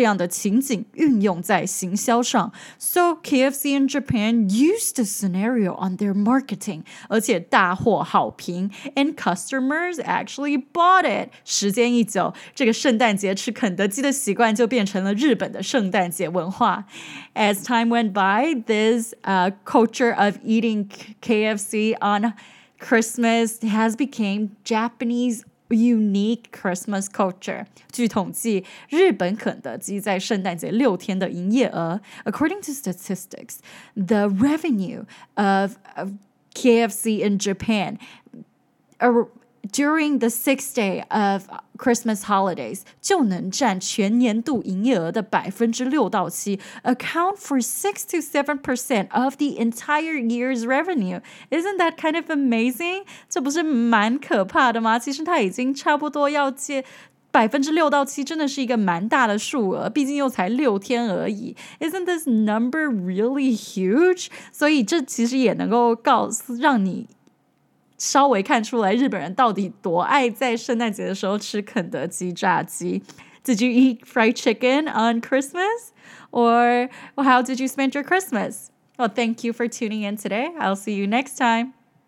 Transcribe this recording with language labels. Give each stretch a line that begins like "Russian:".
Chinese: 因此日本的肯德基就把这样的情景运用在行销上.
English: So KFC in Japan used the scenario on their marketing.
Chinese: 而且大获好评.
English: And customers actually bought it.
Chinese: 时间一久, 这个圣诞节吃肯德基的习惯就变成了日本的圣诞节文化.
English: As time went by, this culture of eating KFC on Christmas has become Japanese unique Christmas culture.
Chinese: 据统计, 日本肯德基在圣诞节六天的营业额,
English: according to statistics, the revenue of KFC in Japan during the sixth day of Christmas holidays
Chinese: 就能占全年度营业额的 6-7%,
English: account for 6-7% of the entire year's revenue. Isn't that kind of amazing?
Chinese: 这不是蛮可怕的吗? 其实它已经差不多要接 6-7% 真的是一个蛮大的数额, 毕竟又才六天而已.
English: Isn't this number really huge?
Chinese: 所以这其实也能够告诉让你 稍微看出来日本人到底多爱在圣诞节的时候吃肯德基炸鸡.
English: Did you eat fried chicken on Christmas? Or how did you spend your Christmas? Well, thank you for tuning in today. I'll see you next time.